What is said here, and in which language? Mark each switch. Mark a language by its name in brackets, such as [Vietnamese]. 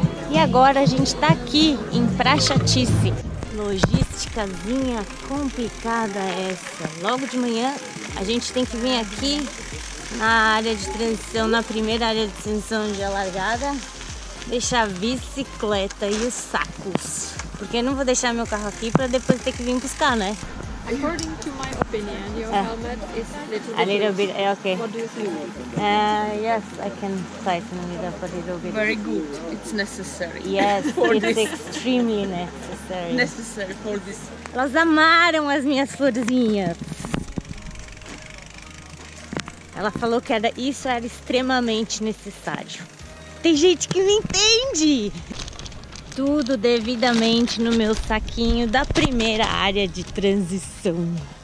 [Portuguese] E agora a gente está aqui em Praxatice. Logísticazinha complicada essa. Logo de manhã a gente tem que vir aqui na área de transição, na primeira área de transição de largada. Deixar a bicicleta e os sacos. Porque eu não vou deixar meu carro aqui para depois ter que vir buscar, né? [English] According to my opinion, your helmet is a little bit. Okay. What do you think? Yes, I can tighten it up a little bit. Very good. It's necessary. Yes, it's extremely necessary. Necessary for this. [Portuguese] Elas amaram as minhas florzinhas. Ela falou que isso era extremamente necessário. Tem gente que não entende! Tudo devidamente no meu saquinho da primeira área de transição.